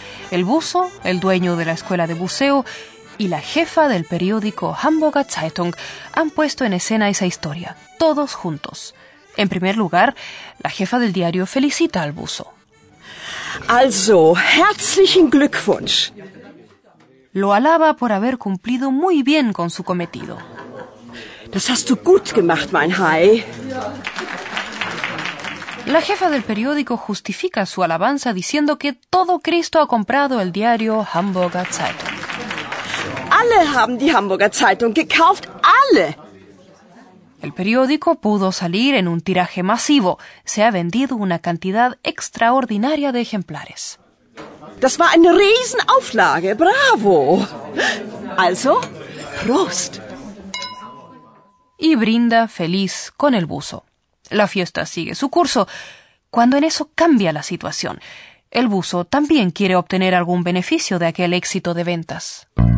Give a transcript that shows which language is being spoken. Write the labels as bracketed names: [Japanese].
[Spanish] El buzo, el dueño de la escuela de buceo y la jefa del periódico Hamburger Zeitung han puesto en escena esa historia, todos juntos. En primer lugar, la jefa del diario felicita al buzo. [German] Also, herzlichen Glückwunsch. [Spanish] Lo alaba por haber cumplido muy bien con su cometido. [German] Das hast du gut gemacht, mein Hai. [Spanish] La jefa del periódico justifica su alabanza diciendo que todo Cristo ha comprado el diario Hamburger Zeitung. [German] Alle haben die Hamburger Zeitung gekauft, alle. [Spanish] El periódico pudo salir en un tiraje masivo. Se ha vendido una cantidad extraordinaria de ejemplares. [German] Das war eine Riesenauflage, bravo. Also, Prost. [Spanish] Y brinda feliz con el buzo. La fiesta sigue su curso, cuando en eso cambia la situación. El buzo también quiere obtener algún beneficio de aquel éxito de ventas.